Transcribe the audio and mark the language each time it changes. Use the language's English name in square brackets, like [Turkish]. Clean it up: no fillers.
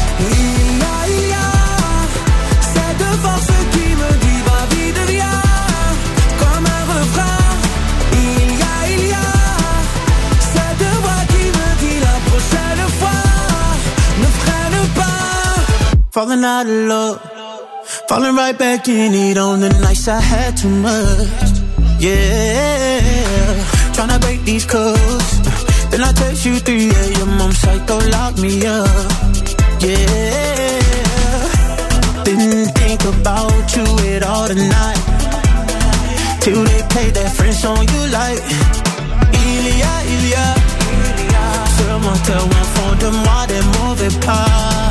[French] Ia, ia, cette force qui me dit va vite, deviens comme un refrain. Ia, ia, cette voix qui me dit la prochaine fois ne freine pas. [English] Falling out of love, falling right back in it on the nights I had too much. Yeah, tryna break these codes. Then I text you 3 a.m. I'm psycho, lock me up. Yeah, didn't think about you at all tonight. Till they play that French song you like. Ilia, Ilia, Ilia. [French] Sur mon terrain fond de moi des mauvais pas.